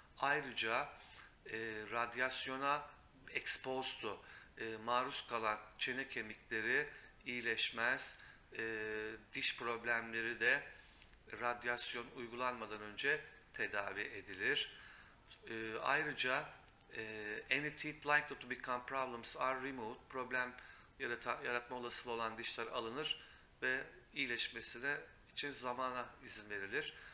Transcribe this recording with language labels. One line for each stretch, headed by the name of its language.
Turkish: Ayrıca radyasyona exposed'u, maruz kalan çene kemikleri iyileşmez. Diş problemleri de radyasyon uygulanmadan önce tedavi edilir.
English: Ayrıca any teeth likely to become problems are removed.
Turkish: Problem yaratma olasılığı olan dişler alınır ve iyileşmesine için zamana izin verilir.